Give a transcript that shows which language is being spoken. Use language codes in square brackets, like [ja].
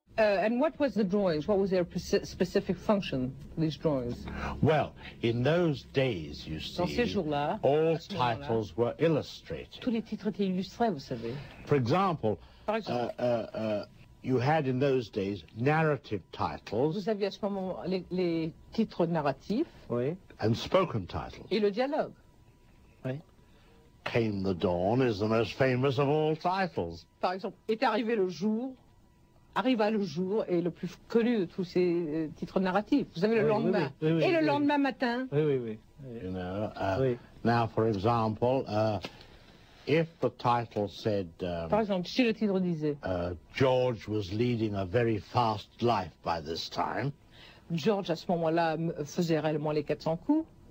[en] And what was the drawings? What was their specific function, these drawings? Well, in those days, you see, all titles were illustrated. [fr] Tous les titres étaient illustrés, vous savez. [en] For example, you had in those days narrative titles. [fr] Vous aviez à ce moment les titres narratifs. Oui. [en] And spoken titles. [fr] Et le dialogue. Oui. [en] Came the Dawn is the most famous of all titles. [fr] Par exemple, est arrivé le jour. Arriva le jour est le plus connu de tous ces titres narratifs. Vous savez, le lendemain. Et le lendemain matin. Oui. [en] You know, now, for example, if the title said... [fr] Par exemple, si le titre disait... [en] George was leading a very fast life by this time. [fr] George, à ce moment-là, faisait réellement les 400 coups.